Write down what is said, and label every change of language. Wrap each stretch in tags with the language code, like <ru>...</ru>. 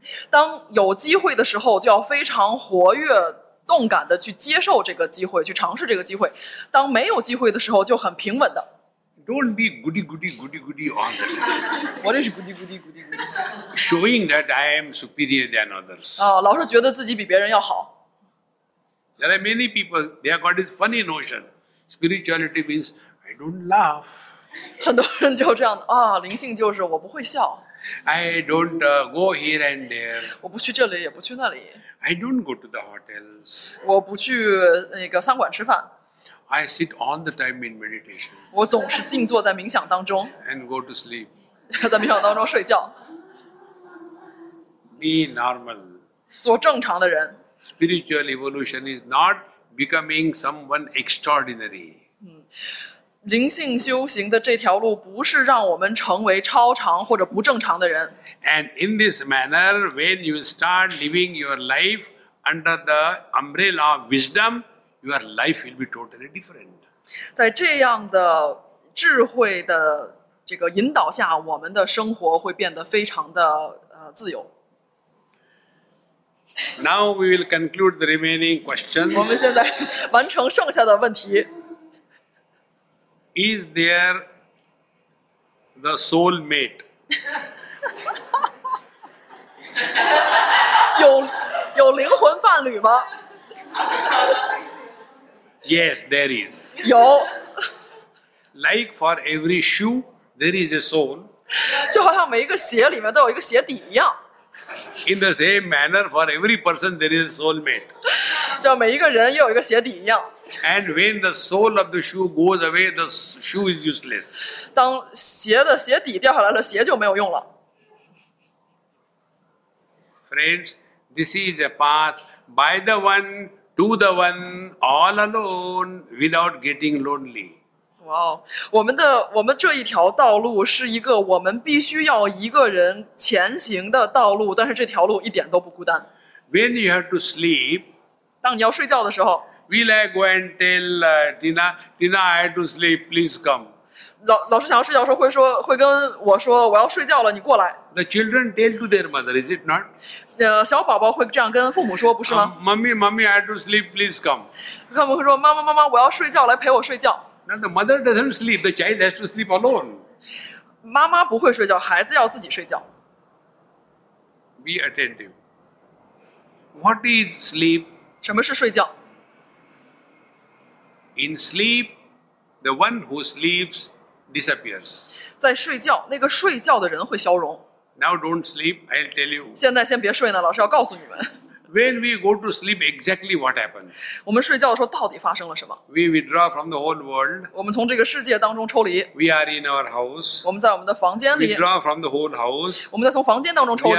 <zh>当有机会的时候，就要非常活跃、动感的去接受这个机会，去尝试这个机会。当没有机会的时候，就很平稳的。</zh> <en>Don't be goody goody goody goody on the time. What is goody goody goody goody? Showing that I am superior than others.</en> <zh>老是觉得自己比别人要好。</zh> <en>There are many people, they have got this funny notion. Spirituality means I don't laugh.</en> <zh>很多人就这样的啊，灵性就是我不会笑。</zh> <en>I don't go here and there.</en> <zh>我不去这里，也不去那里。</zh> <en>I don't go to the hotels.</en> <zh>我不去那个餐馆吃饭。</zh> <en>I sit all the time in meditation.</en> <zh>我总是静坐在冥想当中。</zh> <en>And go to sleep.</en> <zh>在冥想当中睡觉。</zh> <en>Be normal.</en> <zh>做正常的人。</zh> <en>Spiritual evolution is not becoming someone extraordinary.</en> <zh>灵性修行的这条路不是让我们成为超常或者不正常的人。</zh> <en>And in this manner, when you start living your life under the umbrella of wisdom, your life will be totally different.</en> <zh>在这样的智慧的这个引导下，我们的生活会变得非常的自由。</zh> <en>Now we will conclude the remaining questions.</en> <zh>我们现在完成剩下的问题。</zh> <en>Is there the soul mate?</en> <zh>有灵魂伴侣吗？</zh> <en>Yes, there is.</en> <zh>有。</zh> <en>Like for every shoe, there is a soul.</en> <zh>就好像每一个鞋里面都有一个鞋底一样。</zh> <en>In the same manner, for every person, there is a soul mate.</en> <zh>就每一个人也有一个鞋底一样。</zh> <en>And when the sole of the shoe goes away, the shoe is useless.</en> <zh>当鞋底掉下来了，鞋就没有用了。</zh> <en>Friends, this is a path by the one, to the one, all alone, without getting lonely.</en> <zh>哇、wow, 我们这一条道路是一个我们必须要一个人前行的道路，但是这条路一点都不孤单。</zh> <en>When you have to sleep,</en> <zh>当你要睡觉的时候。</zh> <en>Will I go and tell Tina? Tina, I have to sleep. Please come.</en> <zh>老师想要睡觉的时候会跟我说我要睡觉了，你过来。</zh> <en>The children tell to their mother, is it not?</en> <zh>小宝宝会这样跟父母说，不是吗？</zh> <en>Mummy, mummy, I have to sleep. Please come.</en> <zh>他们会说妈妈妈妈，我要睡觉，来陪我睡觉。</zh> <en>Now the mother doesn't sleep. The child has to sleep alone.</en> <zh>妈妈不会睡觉，孩子要自己睡觉。</zh> <en>Be attentive. What is sleep?</en> <zh>什么是睡觉？</zh> <en>In sleep, the one who sleeps disappears.</en> <zh>在睡觉，那个睡觉的人会消融。</zh> <en>Now don't sleep, I'll tell you.</en> <zh>现在先别睡呢，老师要告诉你们。</zh> <en>When we go to sleep, exactly what happens?</en> <zh>我们睡觉的时候到底发生了什么？</zh> <en>We withdraw from the whole world.</en> <zh>我们从这个世界当中抽离。</zh> <en>We are in our house.</en> <zh>我们在我们的房间里。</zh> <en>We withdraw from the whole house.</en> <zh>我们在从房间当中抽离。</zh>